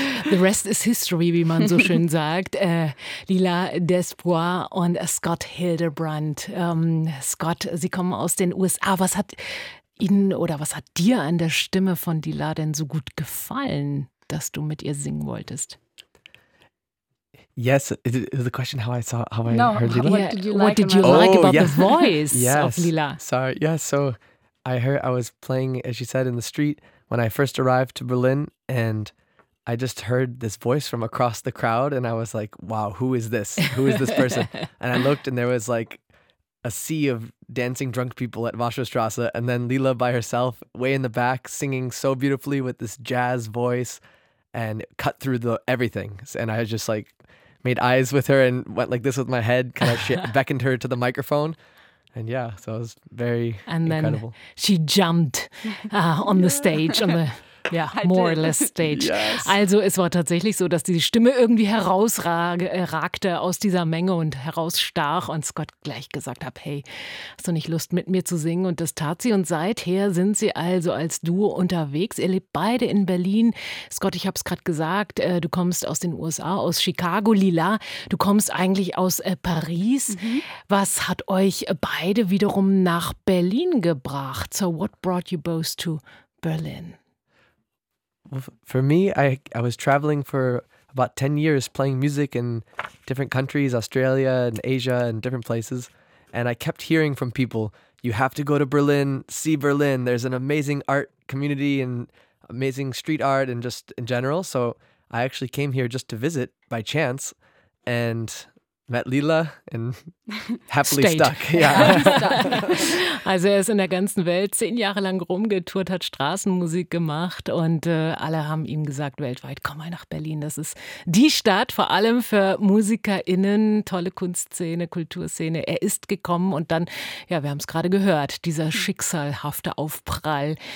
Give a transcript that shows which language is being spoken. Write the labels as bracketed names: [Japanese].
[English] The rest is history, [German] wie man so schön sagt. Lila Despois und Scott Hildebrandt. Scott, Sie kommen aus den USA. Was hat Ihnen oder was hat dir an der Stimme von Lila denn so gut gefallen, dass du mit ihr singen wolltest? [English] Yes, the question heard Lila. The voice yes. of Lila? So I heard I was playing, as you said, in the street when I first arrived to Berlin, and I just heard this voice from across the crowd, and I was like, wow, who is this? Who is this person? And I looked, and there was like a sea of dancing drunk people at Warschauer Straße, and then Lila by herself way in the back singing so beautifully with this jazz voice and cut through the everything. And I was just like, made eyes with her and went like this with my head, kind of beckoned her to the microphone. And yeah, so it was very incredible. And then she jumped on the stage, on the more or less stage. Yes. [German] Also es war tatsächlich so, dass die Stimme irgendwie herausragte aus dieser Menge und herausstach und Scott gleich gesagt hat, hey, hast du nicht Lust mit mir zu singen? Und das tat sie und seither sind sie also als Duo unterwegs. Ihr lebt beide in Berlin. Scott, ich habe es gerade gesagt, du kommst aus den USA, aus Chicago. Lila, du kommst eigentlich aus Paris. Mhm. Was hat euch beide wiederum nach Berlin gebracht? [English] So what brought you both to Berlin? For me, I was traveling for about 10 years playing music in different countries, Australia and Asia and different places. And I kept hearing from people, you have to go to Berlin, see Berlin. There's an amazing art community and amazing street art and just in general. So I actually came here just to visit by chance and met Lila and happily stayed. Stuck. Yeah. [German] Also er ist in der ganzen Welt 10 Jahre lang rumgetourt, hat Straßenmusik gemacht und alle haben ihm gesagt, weltweit, komm mal nach Berlin. Das ist die Stadt, vor allem für MusikerInnen, tolle Kunstszene, Kulturszene. Er ist gekommen und dann, ja, wir haben es gerade gehört, dieser schicksalhafte Aufprall.